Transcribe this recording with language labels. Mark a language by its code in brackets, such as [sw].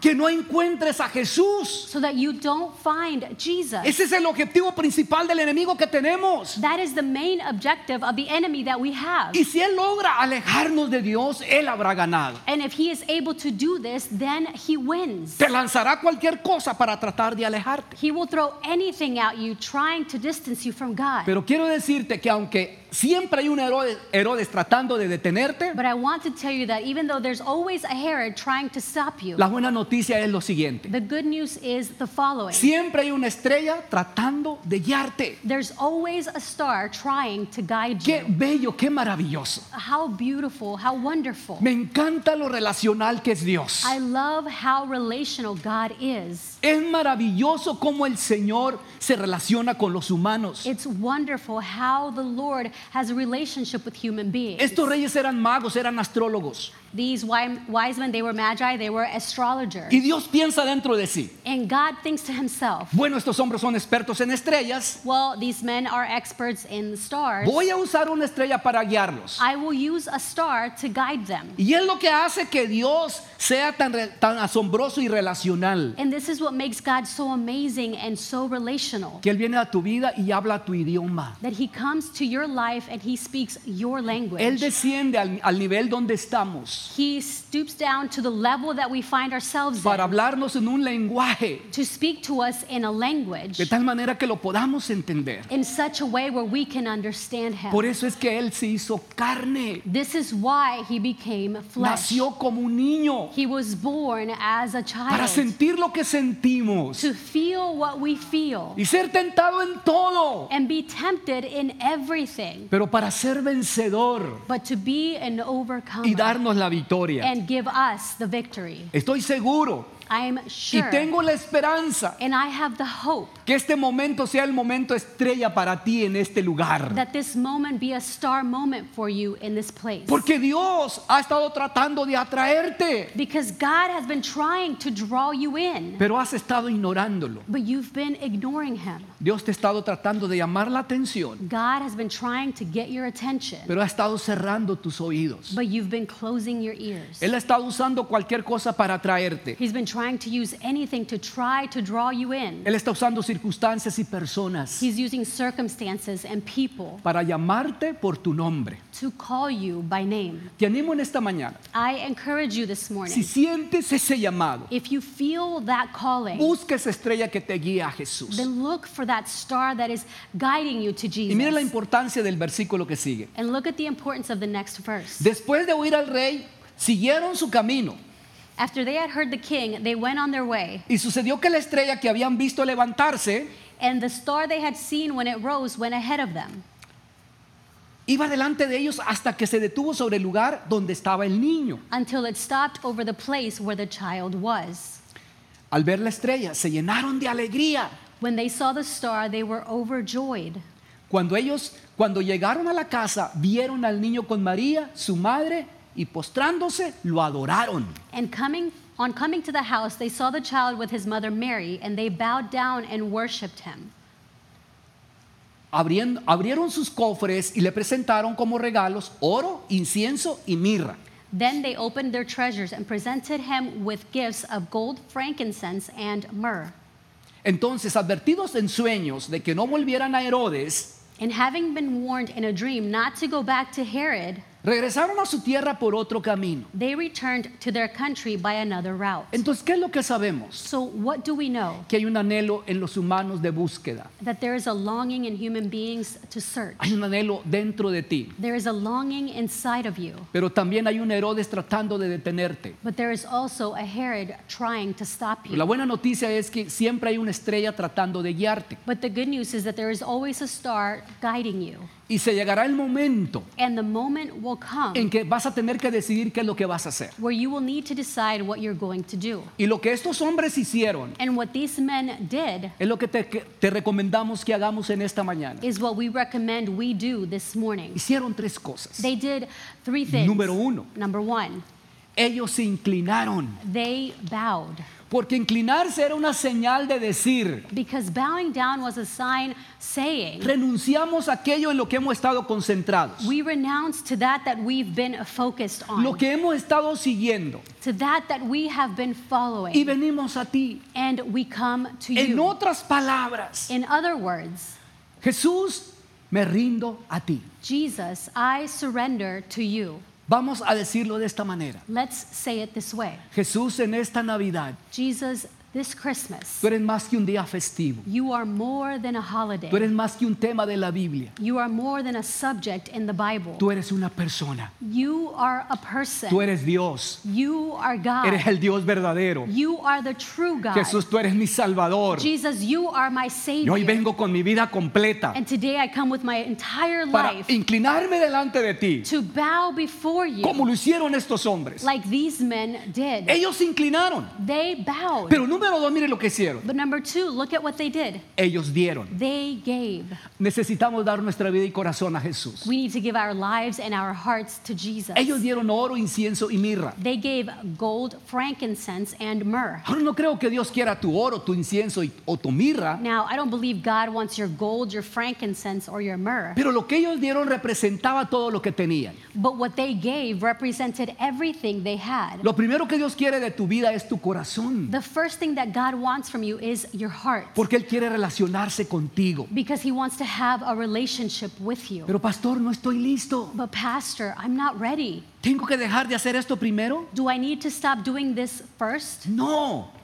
[es] Que no encuentres a Jesús. [en] So that you don't find Jesus. [es] Ese es el objetivo principal del enemigo que tenemos. [en] That is the main objective of the enemy that we have. [es] Y si él logra alejarnos de Dios, él habrá ganado. [en] And if he is able to do this, then he wins. [es] Te lanzará cualquier cosa para tratar de alejarte. [en] He will throw anything at you trying to distance you from God. [es] Pero quiero decirte que aunque siempre hay un Herodes tratando de detenerte. [en] But I want to tell you that even though there's always a Herod trying to stop you. [es] La buena noticia es lo siguiente. [en] The good news is the following. [es] Siempre hay una estrella tratando de guiarte. [en] There's always a star trying to guide you. [es] Qué bello, qué maravilloso. [en] How beautiful, how wonderful. [es] Me encanta lo relacional que es Dios. [en] I love how relational God is. [es] Es maravilloso cómo el Señor se relaciona con los humanos. [en] It's wonderful how the Lord has a relationship with human beings. [es] Estos reyes eran magos, eran astrólogos. [en] These wise men, they were magi, they were astrologers. [es] Y Dios piensa dentro de sí. [en] And God thinks to himself. [es] Bueno, estos hombres son expertos en estrellas. [en] Well, these men are experts in the stars. [es] Voy a usar una estrella para guiarlos. [en] I will use a star to guide them. [es] Y es lo que hace que Dios sea tan asombroso y relacional. [en] And this is what makes God so amazing and so relational. [es] Que él viene a tu vida y habla tu idioma. [en] That he comes to your life and he speaks your language. [es] Él desciende al nivel donde estamos. [en] He stoops down to the level that we find ourselves in. [es] Para hablarnos en un lenguaje. [en] To speak to us in a language. [es] De tal manera que lo podamos entender. [en] In such a way where we can understand him. [es] Por eso es que él se hizo carne. [en] This is why he became flesh. [es] Nació como un niño. [en] He was born as a child. [es] Para sentir lo que sentimos. [en] To feel what we feel. [es] Y ser tentado en todo. [en] And be tempted in everything. [es] Pero para ser vencedor. [en] But to be an overcomer. [es] Y darnos la victoria. [en] And give us the victory. [es] Estoy seguro. [en] I'm sure. [es] Y tengo la esperanza. [en] And I have the hope. [es] Que este momento sea el momento estrella para ti en este lugar. [en] That this moment be a star moment for you in this place. [es] Porque Dios ha estado tratando de atraerte. [en] Because God has been trying to draw you in. [es] Pero has estado ignorándolo. [en] But you've been ignoring him. [es] Dios te ha estado tratando de llamar la atención. [en] God has been trying to get your attention. [es] Pero ha estado cerrando tus oídos. [en] But you've been closing your ears. [es] Él ha estado usando cualquier cosa para atraerte. [en] He's been trying to use anything to try to draw you in. [es] Él está usando circunstancias y personas. [en] He's using circumstances and people. [es] Para llamarte por tu nombre. [en] To call you by name. [es] Te animo en esta mañana. [en] I encourage you this morning. [es] Si sientes ese llamado. [en] If you feel that calling. [es] Busca esa estrella que te guía a Jesús. [en] Then look for that star that is guiding you to Jesus. [es] Y mira la importancia del versículo que sigue. [en] And look at the importance of the next verse. [es] Después de oír al rey, siguieron su camino. [en] After they had heard the king, they went on their way. [es] Y sucedió que la estrella que habían visto levantarse, [en] and the star they had seen when it rose went ahead of them. [es] Iba delante de ellos hasta que se detuvo sobre el lugar donde estaba el niño. [en] Until it stopped over the place where the child was. [es] Al ver la estrella, se llenaron de alegría. [en] When they saw the star, they were overjoyed. [es] Cuando llegaron a la casa, vieron al niño con María, su madre, y postrándose lo adoraron. [en] And coming to the house, they saw the child with his mother Mary, and they bowed down and worshipped him. [es] Abrieron sus cofres y le presentaron como regalos oro, incienso y mirra. [en] Then they opened their treasures and presented him with gifts of gold, frankincense and myrrh. [es] Entonces, advertidos en sueños de que no volvieran a Herodes, [en] and having been warned in a dream not to go back to Herod, [es] regresaron a su tierra por otro camino. [en] They returned to their country by another route. [es] Entonces, ¿qué es lo que sabemos? [en] So what do we know? [es] Que hay un anhelo en los humanos de búsqueda. [en] That there is a longing in human beings to search. [es] Hay un anhelo dentro de ti. [en] There is a longing inside of you. [es] Pero también hay un Herodes tratando de detenerte. [en] But there is also a Herod trying to stop you. [es] La buena noticia es que siempre hay una estrella tratando de guiarte. [en] But the good news is that there is always a star guiding you. [es] Y se llegará el momento, [en] and the moment will come, [es] en que vas a tener que decidir qué es lo que vas a hacer, [en] where you will need to decide what you're going to do. [es] Y lo que estos hombres hicieron, [en] and what these men did, [es] es lo que te recomendamos que hagamos en esta mañana, [en] is what we recommend we do this morning. [es] Hicieron tres cosas. [en] They did three things. [es] Número uno. [en] Number one. [es] Ellos se inclinaron. [en] They bowed. [es] Porque inclinarse era una señal de decir. [en] Because bowing down was a sign saying. [es] Renunciamos a aquello en lo que hemos estado concentrados. [en] We renounce to that we've been focused on. [es] Lo que hemos estado siguiendo. [en] To that we have been following. [es] Y venimos a ti. [en] And we come to you. [es] En otras palabras. [en] In other words. [es] Jesús, me rindo a ti. [en] Jesus, I surrender to you. [es] Vamos a decirlo de esta manera. [en] Let's say it this way. [es] Jesús, en esta Navidad. [en] Jesus, this Christmas. [es] Tú eres más que un día festivo. [en] You are more than a holiday. [es] Tú eres más que un tema de la Biblia. [en] You are more than a subject in the Bible. [es] Tú eres una persona. [en] You are a person. [es] Tú eres Dios. [en] You are God. [es] Eres el Dios verdadero. [en] You are the true God. [es] Jesús, tú eres mi Salvador. [en] Jesus, you are my Savior. [es] Y hoy vengo con mi vida completa. [en] And today I come with my entire life. [es] Para inclinarme delante de ti. [en] To bow before you. [es] Como lo hicieron estos hombres. [en] Like these men did. [es] Ellos se inclinaron. [en] They bowed. [es] Pero número dos, mire lo que hicieron. [en] But number two, look at what they did. [es] Ellos dieron. [en] They gave. [es] Necesitamos dar nuestra vida y corazón a Jesús. [en] We need to give our lives and our hearts to Jesus. [es] Ellos dieron oro, incienso y mirra. [en] They gave gold, frankincense, and myrrh. [es] No creo que Dios quiera tu oro, tu incienso y, o tu mirra. [en] Now, I don't believe God wants your gold, your frankincense, or your myrrh. [es] Pero lo que ellos dieron representaba todo lo que tenían. [en] But what they gave represented everything they had. [es] Lo primero que Dios quiere de tu vida es tu corazón. [en] The first thing that God wants from you is your heart. [es] Porque Él quiere relacionarse contigo. [en] Because He wants to have a relationship with you. [es] Pero pastor, no estoy listo. [en] But pastor, I'm not ready. [es] ¿Tengo que dejar de hacer esto primero? [en] Do I need to stop doing this first? [es] No.